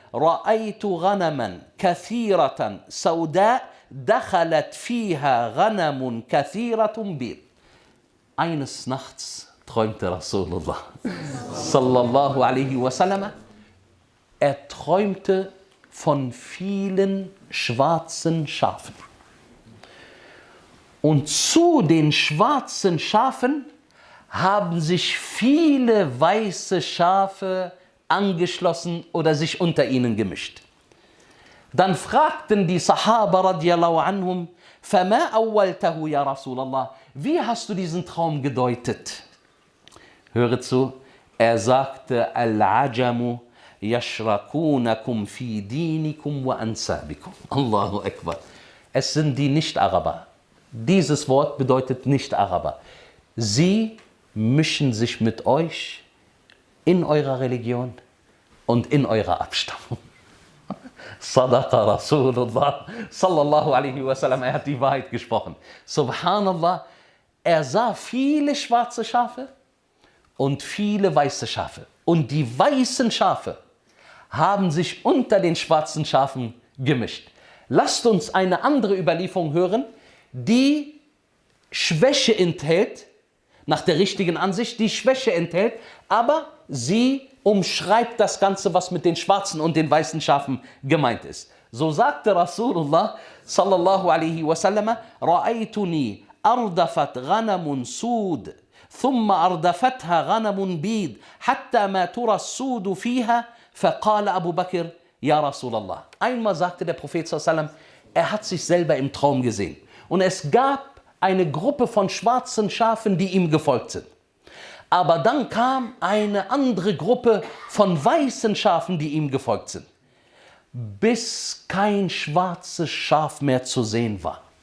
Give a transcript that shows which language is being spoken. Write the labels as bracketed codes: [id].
[ar] رأيت غنما كثيرة سوداء دخلت فيها غنم كثيرة بيض. [de] Eines Nachts träumte Rasulullah sallallahu alaihi wasallam, er träumte von vielen schwarzen Schafen. Und zu den schwarzen Schafen haben sich viele weiße Schafe angeschlossen oder sich unter ihnen gemischt. Dann fragten die Sahaba radiallahu anhum, [ar] فَمَا أَوَّلْتَهُ يَا رَسُولَ اللَّهِ, [de] wie hast du diesen Traum gedeutet? Höre zu, er sagte, [ar] الْعَجَمُ يَشْرَكُونَكُمْ فِي دِينِكُمْ وَأَنْسَابِكُمْ. [de] Allahu Akbar. Es sind die Nicht-Araber. Dieses Wort bedeutet Nicht-Araber. Sie mischen sich mit euch in eurer Religion und in eurer Abstammung. Sadaqa Rasulullah sallallahu alaihi wasallam, er hat die Wahrheit gesprochen. Subhanallah, er sah viele schwarze Schafe und viele weiße Schafe. Und die weißen Schafe haben sich unter den schwarzen Schafen gemischt. Lasst uns eine andere Überlieferung hören, die Schwäche enthält, nach der richtigen Ansicht, die Schwäche enthält, aber sie umschreibt das Ganze, was mit den schwarzen und den weißen Schafen gemeint ist. So sagte Rasulullah sallallahu alaihi wasallam, [ar] رأيتني أردفت غنم سود ثم أردفتها غنم بيض حتى ما ترى السود فيها فقال أبو بكر يا رسول الله. [de] Einmal sagte der Prophet sallallahu alaihi wasallam, er hat sich selber im Traum gesehen und es gab eine Gruppe von schwarzen Schafen, die ihm gefolgt sind. Aber dann kam eine andere Gruppe von weißen Schafen, die ihm gefolgt sind, bis kein schwarzes Schaf mehr zu sehen war.